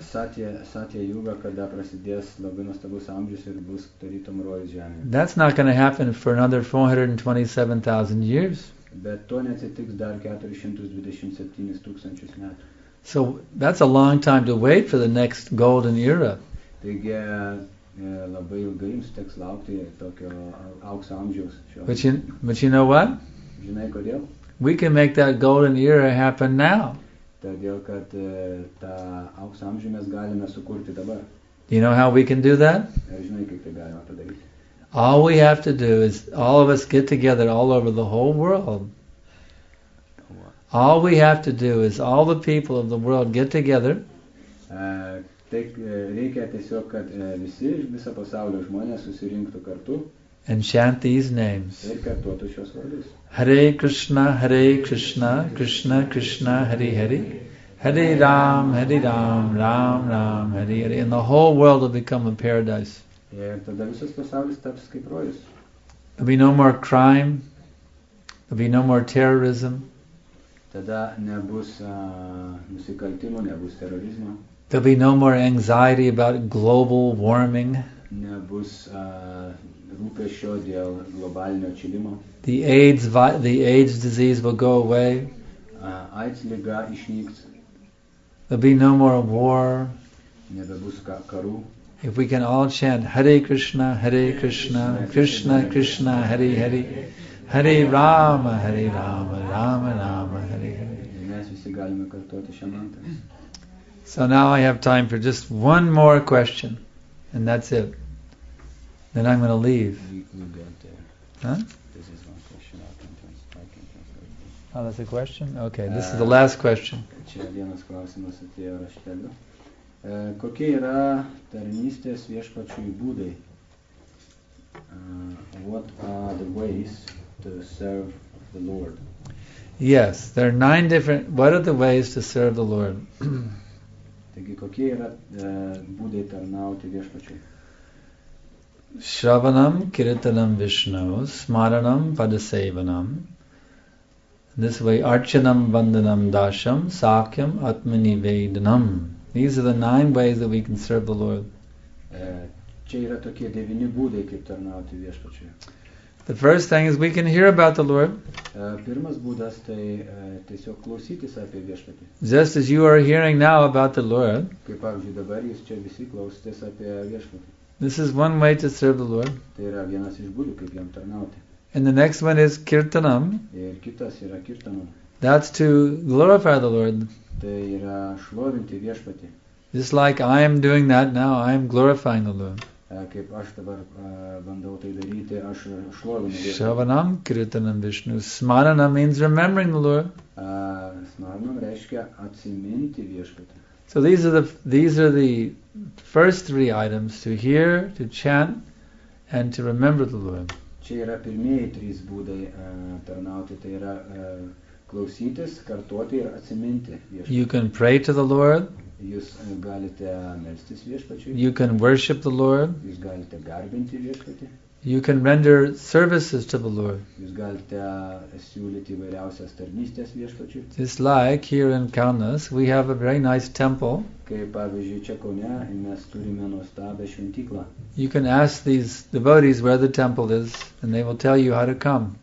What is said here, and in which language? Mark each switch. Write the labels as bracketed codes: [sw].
[lt] Satya Yuga, kada prasidės labai nuostabus amžius ir bus tarytum rojus žemėje. [en] That's not going to happen for another 427,000 years. [lt] Bet to neatsitiks dar 427,000 metų. [en] So that's a long time to wait for the next golden era. [lt] Taigi labai ilgai jums teks laukti tokio aukso amžiaus. [en] But you know what? [lt] Žinai kodėl? [en] We can make that golden era happen now. [lt] Todėl, kad tą aukso amžių mes galime sukurti dabar. [en] You know how we can do that? [lt] Žinai, kaip tai galima padaryti. [en] All we have to do is all of us get together all over the whole world. All we have to do is all the people of the world get together. [lt] Reikia tiesiog, kad visi iš viso pasaulio žmonės susirinktų kartu. [en] And chant these names. [lt] Ir kartuotų šios vardus. [sa] Hare Krishna, Krishna Krishna, Hari Hari. Hari Ram, Ram Ram, Hari Hari. [en] And the whole world will become a paradise. [lt] Ir tada visas pasaulis taps kaip rojus. [en] There'll be no more crime. There'll be no more terrorism. [lt] Tada nebus nusikaltimo, nebus terorizmo. [en] There'll be no more anxiety about global warming. [lt] Nebus rūpesčio dėl globalinio atšilimo. [en] The AIDS disease will go away. [lt] AIDS liga išnyks. [en] There'll be no more war. [lt] Nebebus karų. [en] If we can all chant [sa] Hare Krishna, Krishna Krishna, Hari Hari. Hari Rama, Rama Rama, Hari Hari. [lt] Mes visi galime kartuoti šią mantrą. [en] So now I have time for just one more question, and that's it. Then I'm going to leave. We'll get there. Huh? This is one question. I can translate. Oh, that's a question? Okay, this is the last question. [lt] Čia vienas klausimas atėjo rašteliu. Kokie yra tarnystės viešpačiui būdai? [en] What are the ways to serve the Lord? Yes, there are 9 different... What are the ways to serve the Lord? [lt] Taigi, kokie yra būdai tarnauti viešpačiui? [sa] Shravanam, kirtanam, vishnu, smaranam, padasevanam. [en] This way, [sa] archanam, vandanam, dasham, sakyam, atmani, vedanam. [en] These are the 9 ways that we can serve the Lord. [lt] Čia yra tokie 9 būdai, kaip tarnauti viešpačiui. [en] The first thing is we can hear about the Lord. [lt] Pirmas būdas tai tiesiog klausytis apie viešpatį. [en] Just as you are hearing now about the Lord. [lt] Kaip pavyzdžiui dabar jūs čia visi klausytis apie viešpatį. [en] This is one way to serve the Lord. [lt] Tai yra vienas iš būdų, kaip jam tarnauti. [en] And the next one is kirtanam. [lt] Ir kitas yra kirtanam. [en] That's to glorify the Lord. [lt] Tai yra šlovinti viešpatį. [en] Just like I am doing that now, I am glorifying the Lord. [lt] kaip aš dabar bandau tai daryti, aš šlovinu Dievą. [sa] Shravanam kirtanam Vishnu, [en] smaranam means remembering the Lord. [lt] Smaranam reiškia atsiminti Viešpatį. [en] So these are the first three items: to hear, to chant, and to remember the Lord. [lt] Čia yra pirmieji trys būdai tarnauti, tai yra klausytis, kartuoti ir atsiminti Viešpatį. [en] You can pray to the Lord. [lt] Jūs galite melstis Viešpačiui. [en] You can worship the Lord. [lt] Jūs galite garbinti Viešpatį. [en] You can render services to the Lord. [lt] Jūs galite siūlyti įvairiausias tarnystės Viešpačiui. [en] It's like here in Kaunas, we have a very nice temple. [lt] Kaip pavyzdžiui, čia Kaune, mes turime nuostabią šventyklą. [en] You can ask these devotees where the temple is, and they will tell you how to come.